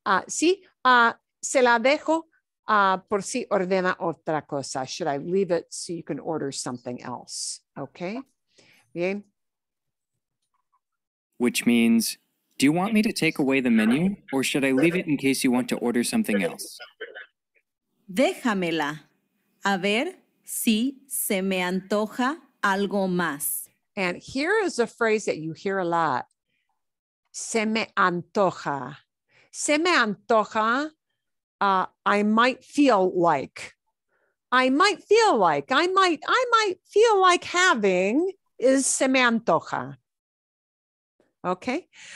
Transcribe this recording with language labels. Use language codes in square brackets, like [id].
[es] Se la dejo por si ordena otra cosa. [en] Should I leave it so you can order something else? Okay. Bien. Which means, do you want me to take away the menu or should I leave it in case you want to order something else? [es] Déjamela, a ver si se me antoja algo más. [en] And here is a phrase that you hear a lot. [es] Se me antoja. Se me antoja, [en] I might feel like. I might feel like. I might feel like having is [es] se me antoja. [en] Okay.